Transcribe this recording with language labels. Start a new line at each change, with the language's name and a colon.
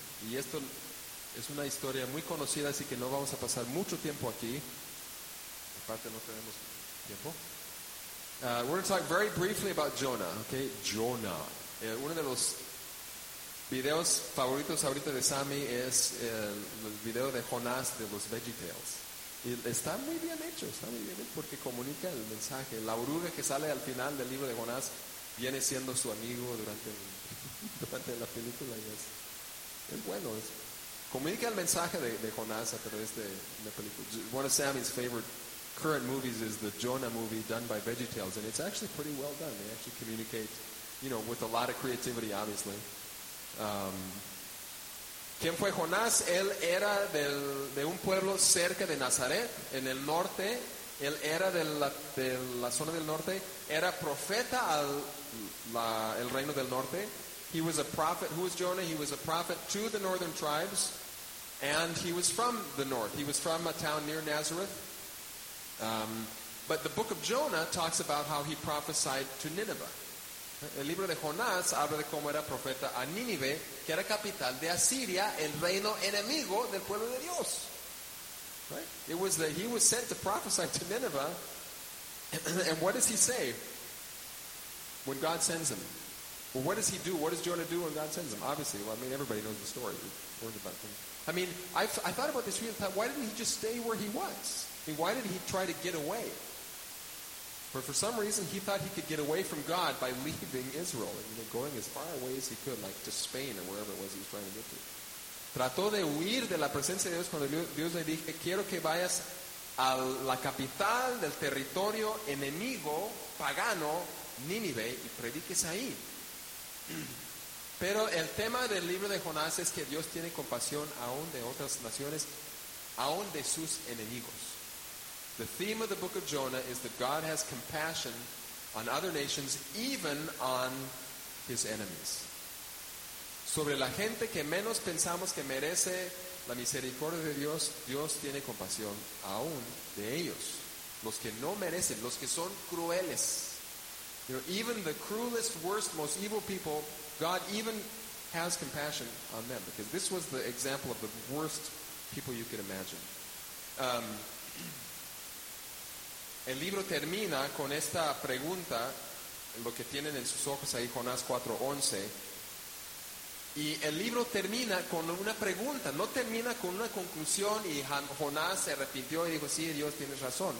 Spanish: Y esto es una historia muy conocida, así que no vamos a pasar mucho tiempo aquí. Aparte, no tenemos tiempo.
English: We're going to talk very briefly about Jonah. Okay, Jonah.
Spanish: Uno de los videos favoritos ahorita de Sammy es el video de Jonás de los VeggieTales. Y está muy bien hecho, está muy bien hecho, porque comunica el mensaje. La oruga que sale al final del libro de Jonás viene siendo su amigo durante la película. Y es bueno. Es, comunica el mensaje de Jonás a través de la película.
English: One of Sammy's favorite current movies is the Jonah movie done by VeggieTales, and it's actually pretty well done. They actually communicate, you know, with a lot of creativity, obviously.
Spanish: ¿Quién fue Jonás? Él era de un pueblo cerca de Nazaret, en el norte. Él era de la zona del norte. Era profeta al reino del norte.
English: He was a prophet. Who was Jonah? He was a prophet to the northern tribes, and he was from the north. He was from a town near Nazareth. But the book of Jonah talks about how he prophesied to Nineveh.
Spanish: El libro de Jonás habla de cómo era profeta a Nínive, que era capital de Asiria, el reino enemigo del pueblo de Dios.
English: Right? He was sent to prophesy to Nineveh. And what does he say when God sends him? Well, what does he do? What does Jonah do when God sends him? Obviously, well, I mean, everybody knows the story. Worried about him. I mean, I thought about this real time. Why didn't he just stay where he was? I mean, why did he try to get away? For some reason, he thought he could get away from God by leaving Israel and, you know, going as far away as he could, like to Spain or wherever it was he was trying to get to.
Spanish: Trató de huir de la presencia de Dios cuando Dios le dije, quiero que vayas a la capital del territorio enemigo pagano, Nínive, y prediques ahí. Pero el tema del libro de Jonás es que Dios tiene compasión aún de otras naciones, aún de sus enemigos.
English: The theme of the book of Jonah is that God has compassion on other nations, even on his enemies.
Spanish: Sobre la gente que menos pensamos que merece la misericordia de Dios, Dios tiene compasión aún de ellos. Los que no merecen, los que son crueles.
English: You know, even the cruelest, worst, most evil people, God even has compassion on them. Because this was the example of the worst people you could imagine.
Spanish: El libro termina con esta pregunta, lo que tienen en sus ojos ahí, Jonás 4:11. Y el libro termina con una pregunta, no termina con una conclusión y Jonás se arrepintió y dijo, sí, Dios tienes razón.